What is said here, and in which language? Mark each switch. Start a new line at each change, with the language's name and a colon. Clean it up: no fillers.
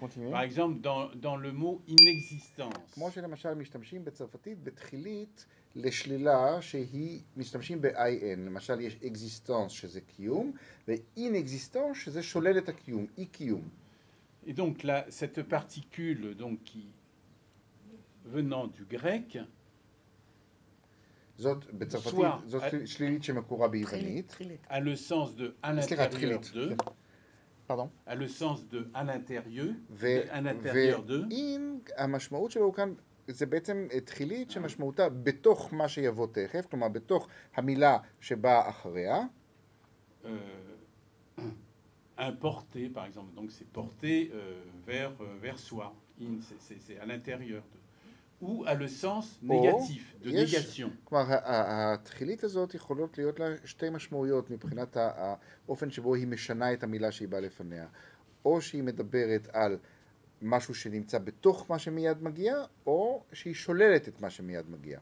French: Par exemple, dans le mot inexistence.
Hebrew: כמו שלמשל משתמשים בצרפתית בתחילית לשלילה שהיא משתמשים ב-IN. למשל, יש existence שזה קיום, ו-inexistence שזה שולל את הקיום, אי-קיום.
French: Et donc, là, cette particule donc, qui venant du grec,
Hebrew: זאת בצרפתית, זאת שלילית שמקורה ביוונית.
French: A le sens de à l'intérieur de. Pardon. A le sens de à l'intérieur, de.
Hebrew: אם המשמעות שלו כאן, זה בעצם תחילית שמשמעותה בתוך מה שיבוא תכף, כלומר בתוך המילה שבאה אחריה.
French: Importé, par exemple. Donc c'est porté vers soi. In, c'est à l'intérieur de. Ou a le sens négatif, de négation.
Hebrew: כלומר, התחילית הזאת יכולות להיות לה שתי משמעויות מבחינת האופן שבו היא משנה את המילה שהיא באה לפניה. או שהיא מדברת על משהו שנמצא בתוך מה שמיד מגיע, או שהיא שוללת את מה שמיד מגיע.